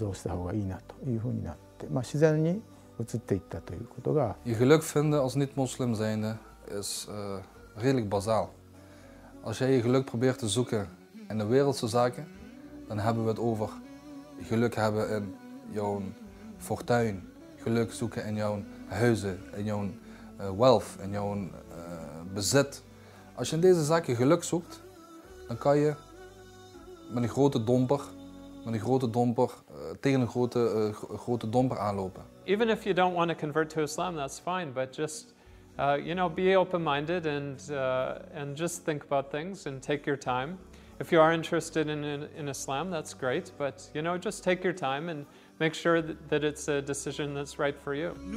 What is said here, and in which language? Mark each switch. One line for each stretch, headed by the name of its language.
Japanese: 構成になっていると思います。で、それはいろいろの意味で人ありや人生にその目標を与えると。で、かつその生存の意味も教えるという非常に深くて広い教えだということですので、それを一番よく知るためには、またそれを理解して人にも伝えるというためには自分自身ムスリムになってフルにそれを学び活動した方がいいなというふうになって、自然に
Dutch: Je geluk vinden als niet-moslim zijnde is redelijk bazaal. Als jij je geluk probeert te zoeken in de wereldse zaken, dan hebben we het over geluk hebben in jouw fortuin, geluk zoeken in jouw huizen, in jouw wealth, in jouw bezit. Als je in deze zaken geluk zoekt, dan kan je met een grote domper aanlopen.
English: Even if you don't want to convert to Islam, that's fine, but just be open-minded and just think about things and take your time. If you are interested in Islam, that's great, but just take your time and make sure that it's a decision that's right for you.